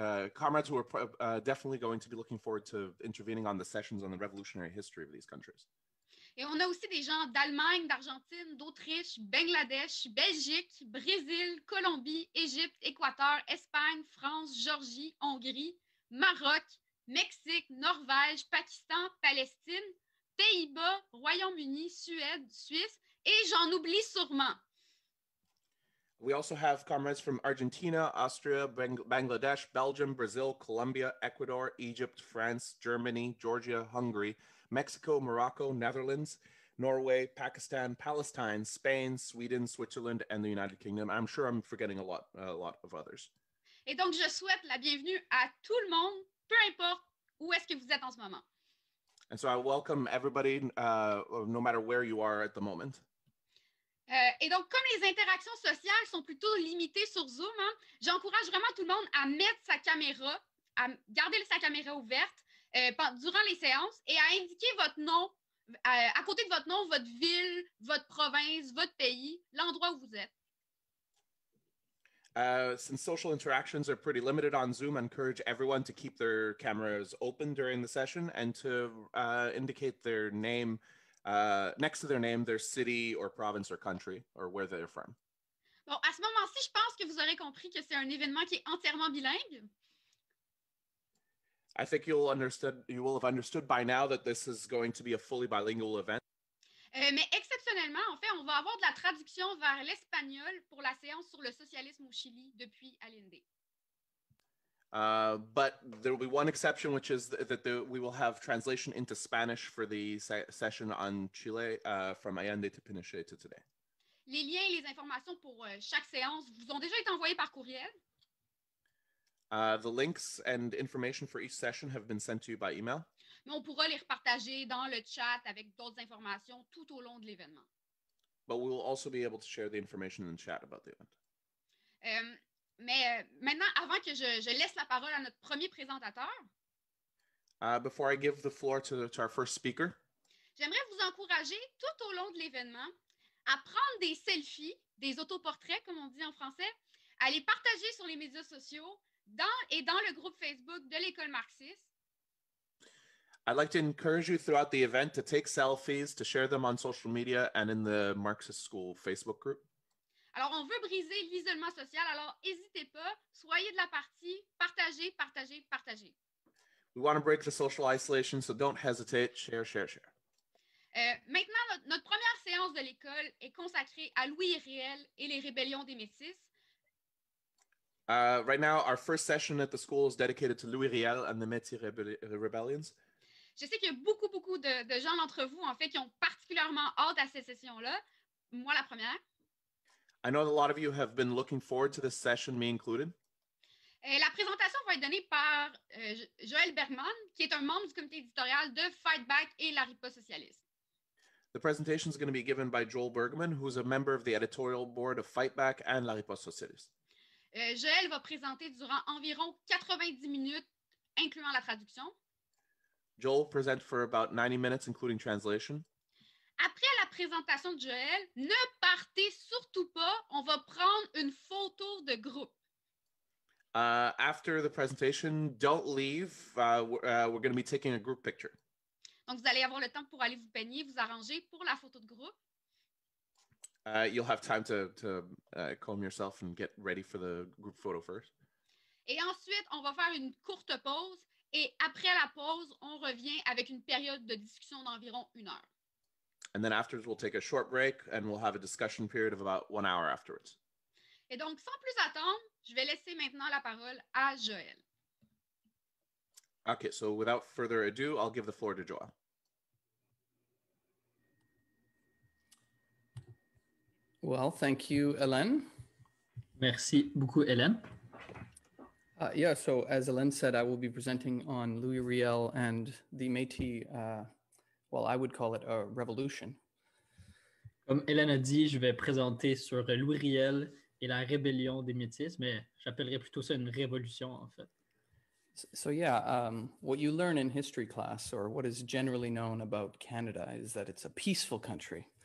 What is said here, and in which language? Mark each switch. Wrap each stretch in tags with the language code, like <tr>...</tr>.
<en>Who are definitely going to be looking forward to intervening on the sessions on the revolutionary history of these countries.</en> <fr>Et on a aussi des gens d'Allemagne, d'Argentine, d'Autriche, Bangladesh, Belgique, Brésil, Colombie, Égypte, Équateur, Espagne, France, Géorgie, Hongrie, Maroc, Mexique, Norvège, Pakistan, Palestine, Pays-Bas, Royaume-Uni, Suède, Suisse, et j'en oublie sûrement.</fr> <en>We also have comrades from Argentina, Austria, Bangladesh, Belgium, Brazil, Colombia, Ecuador, Egypt, France, Germany, Georgia, Hungary, Mexico, Morocco, Netherlands, Norway, Pakistan, Palestine, Spain, Sweden, Switzerland, and the United Kingdom. I'm sure I'm forgetting a lot of others.</en> <fr>Et donc, je souhaite la bienvenue à tout le monde, peu importe où est-ce que vous êtes en ce moment.</fr> <en>And so I welcome everybody, no matter where you are at the moment.</en> <fr>Et donc, comme les interactions sociales sont plutôt limitées sur Zoom, hein, j'encourage vraiment tout le monde à mettre sa caméra, à garder sa caméra ouverte durant les séances et à indiquer votre nom, à côté de votre nom, votre ville, votre province, votre pays, l'endroit où vous êtes.</fr> <en>Since social interactions are pretty limited on Zoom, I encourage everyone to keep their cameras open during the session and to indicate their name next to their name, their city or province or country or where they're from.</en> <fr>Bon, à ce moment-ci, je pense que vous aurez compris que c'est un événement qui est entièrement bilingue.</fr> <en>I think you will have understood by now that this is going to be a fully bilingual event.</en> <fr>Mais exceptionnellement, en fait, on va avoir de la traduction vers l'espagnol pour la séance sur le socialisme au Chili depuis Allende.</fr> <en>But there will be one exception, which is that we will have translation into Spanish for the session on Chile from Allende to Pinochet to today.</en> <fr>Les liens et les informations pour chaque séance vous ont déjà été envoyés par courriel.</fr> <en>The links and information for each session have been sent to you by email.</en> <fr>Mais on pourra les repartager dans le chat avec d'autres informations tout au long de l'événement.</fr> <en>But we will also be able to share the information in the chat about the event.</en> <fr>Mais maintenant, avant que je laisse la parole à notre premier présentateur,</fr> <en>before I give the floor to our first speaker,</en> <fr>j'aimerais vous encourager tout au long de l'événement à prendre des selfies, des autoportraits, comme on dit en français, à les partager sur les médias sociaux dans le groupe Facebook de l'École Marxiste.</fr> <en>I'd like to encourage you throughout the event to take selfies, to share them on social media and in the Marxist School Facebook group.</en> <fr>Alors, on veut briser l'isolement social, alors n'hésitez pas, soyez de la partie, partagez, partagez, partagez.</fr> <en>We want to break the social isolation, so don't hesitate, share, share, share.</en> <fr>Maintenant, notre première séance de l'école est consacrée à Louis Riel et les rébellions des Métis.</fr> <en>Right now, our first session at the school is dedicated to Louis Riel and the Métis rebellions.</en> <fr>Je sais qu'il y a beaucoup, beaucoup de gens d'entre vous, en fait, qui ont particulièrement hâte à ces sessions-là. Moi, la première.</fr> <en>I know that a lot of you have been looking forward to this session, me included.</en> <fr>Et la présentation va être donnée par Joël Bergman, qui est un membre du comité éditorial de Fight Back et la Riposte Socialiste.</fr> <en>The presentation is going to be given by Joel Bergman, who is a member of the editorial board of Fight Back and la Riposte Socialiste.</en> <fr>Joël va présenter durant environ 90 minutes, incluant la traduction.</fr> <en>Joel present for about 90 minutes, including translation.</en> <fr>Après la présentation de Joël, ne partez surtout pas, on va prendre une photo de groupe.</fr> <en>After the presentation, don't leave, we're going to be taking a group picture.</en> <fr>Donc vous allez avoir le temps pour aller vous peigner, vous arranger pour la photo de groupe.</fr> <en>You'll have time to comb yourself and get ready for the group photo first.</en> <fr>Et ensuite, on va faire une courte pause. Et après la pause, on revient avec une période de discussion d'environ une heure.</fr> <en>And then afterwards, we'll take a short break and we'll have a discussion period of about 1 hour afterwards.</en> <fr>Et donc, sans plus attendre, je vais laisser maintenant la parole à Joël.</fr> <en>Okay, so without further ado, I'll give the floor to Joël. Well, thank you, Hélène.</en> <fr>Merci beaucoup, Hélène.</fr> <en>Yeah, so as Hélène said, I will be presenting on Louis Riel and the Métis, well, I would call it a revolution.</en> <fr>Comme Hélène a dit, je vais présenter sur Louis Riel et la rébellion des Métis, mais j'appellerais plutôt ça une révolution, en fait.</fr> <en>So, what you learn in history class, or what is generally known about Canada, is that it's a peaceful country.</en>